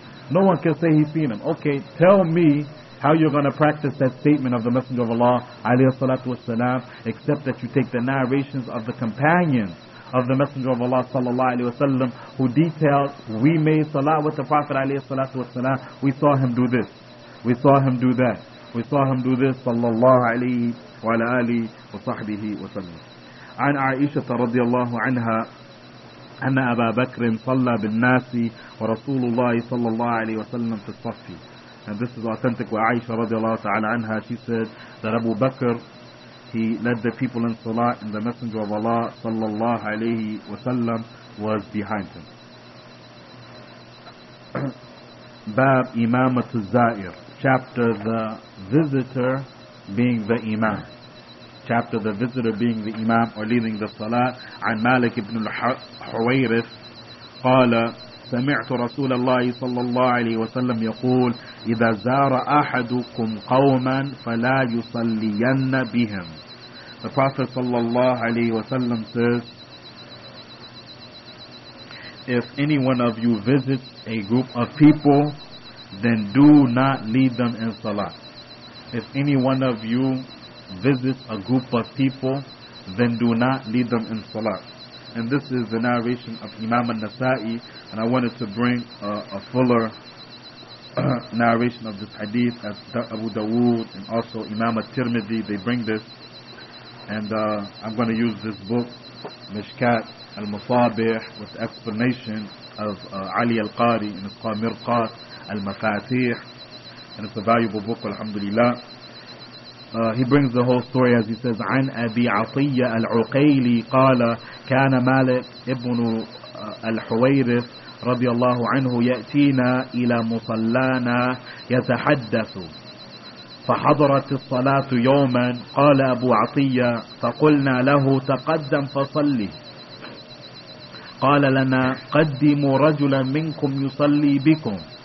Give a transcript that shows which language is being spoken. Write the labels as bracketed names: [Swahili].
[English] No one can say he's seen him. Okay, tell me how you're going to practice that statement of the Messenger of Allah alayhi salatu wa sallam, except that you take the narrations of the companions of the Messenger of Allah sallallahu alayhi wa sallam, who detailed, we made salat with the Prophet alayhi salatu wa sallam, we saw him do this, we saw him do that, we saw him do this, sallallahu alayhi wa alihi wa sahbihi wa sallam. [Arabic] عن عائشة رضي الله عنها أن أبا بكر صلى بالناس ورسول الله صلى الله عليه وسلم في الصف. [English] And this is authentic. [Arabic] وعائشة رضي الله تعالى عنها, [English] she said that Abu Bakr, he led the people in salah, and the Messenger of Allah صلى الله عليه وسلم was behind him. [Arabic] باب إمامة الزائر, [English] chapter the visitor being the imam. Chapter the visitor being the imam or leading the salah. عن مالك بن الحويرث قال سمعت رسول الله صلى الله عليه وسلم يقول إذا زار أحدكم قوما فلا يصلين بهم. The Prophet صلى الله عليه وسلم says, if any one of you visits a group of people, then do not lead them in salah. If any one of you visit a group of people, then do not lead them in salah. And this is the narration of Imam al-Nasa'i, and I wanted to bring a fuller narration of this hadith as Abu Dawood and also Imam al-Tirmidhi, they bring this. And I'm going to use this book, Mishkat al-Musabih, with explanation of Ali al-Qari, and it's called Mirqat al-Mafatih, and it's a valuable book, alhamdulillah. He brings the whole story as he says, [Arabic] عن أبي عطية العقيلي قال كان مالك ابن الحويرث رضي الله عنه يأتينا إلى مصلانا يتحدث فحضرت الصلاة يوما قال أبو عطية فقلنا له تقدم فصلي قال لنا قدموا رجلا منكم يصلي بكم